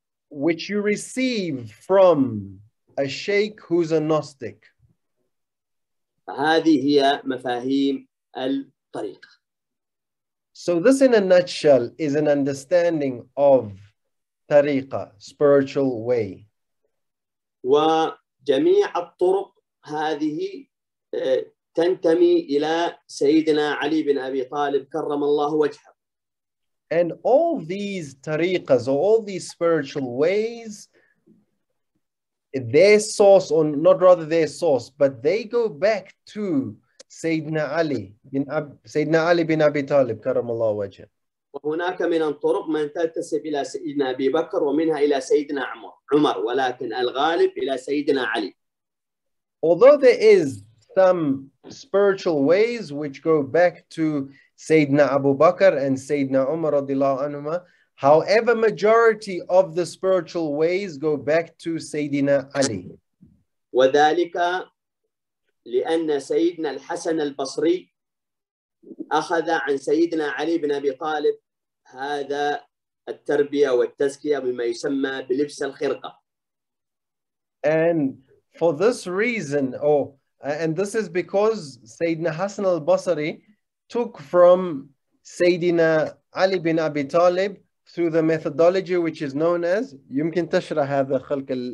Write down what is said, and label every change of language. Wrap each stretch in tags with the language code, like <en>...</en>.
<en>Which you receive from a sheikh who's a Gnostic.</en> <ar>هذه هي مفاهيم الطريقة.</ar> <en>So this in a nutshell is an understanding of طريقة, spiritual way.</en> <ar>وجميع الطرق هذه تنتمي إلى سيدنا علي بن أبي طالب كرم الله وجهه.</ar> <en>And all these tariqas, all these spiritual ways, their source, or not rather their source, but they go back to Sayyidina Ali bin Abi Talib,</en> <ar>كرم الله وجهه. وهناك من الطرق من تنتسب إلى سيدنا أبي بكر ومنها إلى سيدنا عمر ولكن الغالب إلى سيدنا علي.</ar> <en>Although there is some spiritual ways which go back to سيدنا أبو بكر and سيدنا عمر</en> <ar>رضي الله عنهما,</ar> <en>however majority of the spiritual ways go back to سيدنا علي.</en> <ar>وذلك لأن سيدنا الحسن البصري أخذ عن سيدنا علي بن أبي طالب هذا التربية والتزكية بما يسمى بلبس الخرقة.</ar> <en>And for this reason, this is because سيدنا حسن البصري took from سيدنا علي بن أبي طالب through the methodology which is known as</en> <ar>يمكن تشرح هذا خلق</ar>